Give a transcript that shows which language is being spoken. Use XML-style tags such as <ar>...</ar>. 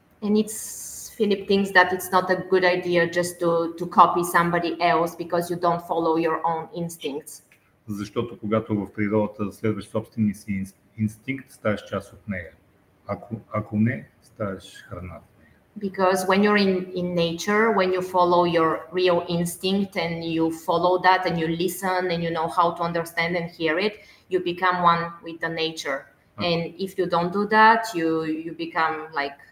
<en>And it's Philip thinks that it's not a good idea just to copy somebody else because you don't follow your own instincts.</en> <bg>Защото когато в природата следваш собствения си инстинкт, ставаш част от нея. Ако не, ставаш храна.</bg> <en>Because when you're in nature, when you follow your real instinct and you follow that and you listen and you know how to understand and hear it, you become one with the nature. Okay. And if you don't do that, you become like</en>